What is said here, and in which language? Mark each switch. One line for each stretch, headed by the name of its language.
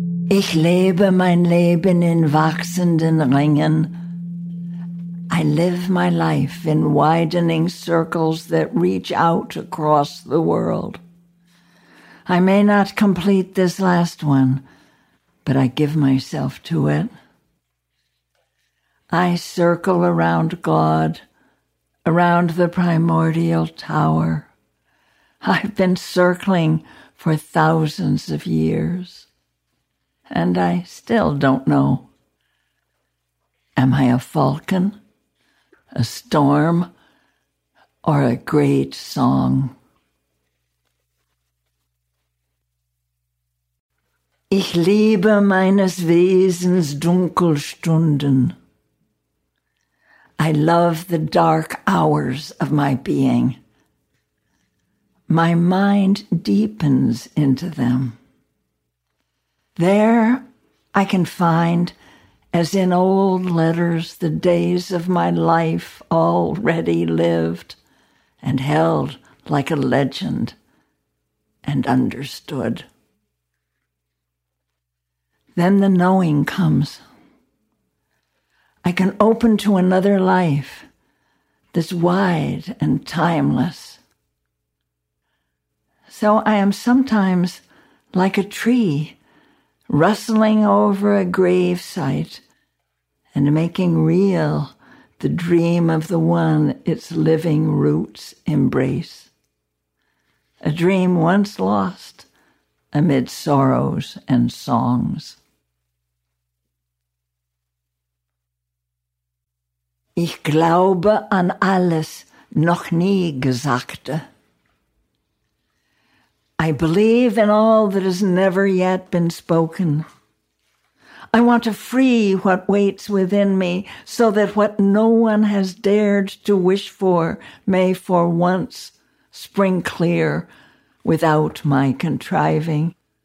German: Ich lebe mein Leben in wachsenden Ringen.
English: I live my life in widening circles that reach out across the world. I may not complete this last one, but I give myself to it. I circle around God, around the primordial tower. I've been circling for thousands of years, and I still don't know. Am I a falcon, a storm, or a great song?
German: Ich liebe meines Wesens Dunkelstunden.
English: I love the dark hours of my being. My mind deepens into them. There I can find, as in old letters, the days of my life already lived and held like a legend and understood. Then the knowing comes. I can open to another life, this wide and timeless. So I am sometimes like a tree rustling over a gravesite and making real the dream of the one its living roots embrace. A dream once lost amid sorrows and songs.
German: Ich glaube an alles noch nie Gesagte.
English: I believe in all that has never yet been spoken. I want to free what waits within me so that what no one has dared to wish for may for once spring clear without my contriving.